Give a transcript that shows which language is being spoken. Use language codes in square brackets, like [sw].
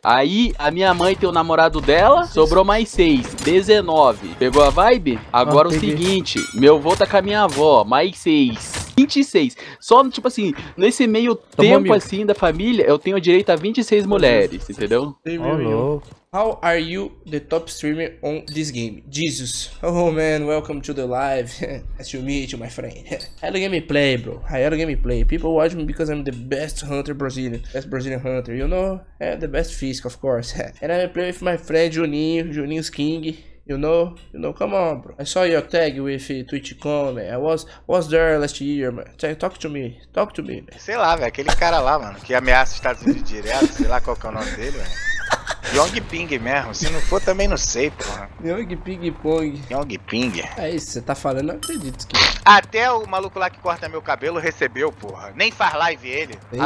[pt] Aí, a minha mãe tem o namorado dela, sobrou mais 6, 19. Pegou a vibe? Agora o seguinte, meu avô tá com a minha avó, mais 6, 26. Só, tipo assim, nesse meio tempo assim da família, eu tenho direito a 26 mulheres, entendeu? [en] How are you the top streamer on this game? Jesus. Oh man, welcome to the live. Nice to meet you, my friend. Hello gameplay, bro. Hello gameplay. People watch me because I'm the best hunter Brazilian. Best Brazilian hunter, you know? Yeah, the best fisk, of course. And I play with my friend Juninho, Juninho's King. You know, come on, bro. I saw your tag with Twitch.com, man. I was there last year, man. Talk to me, man. [pt] Sei lá, velho. Aquele cara lá, mano, que ameaça os Estados Unidos direto. Sei lá qual que é o nome dele, velho. Yong Ping mesmo, se não for também não sei, porra. Yong Ping Pong. Yong Ping. É isso, você tá falando, eu acredito que... Até o maluco lá que corta meu cabelo recebeu, porra. Nem faz live ele. Eita.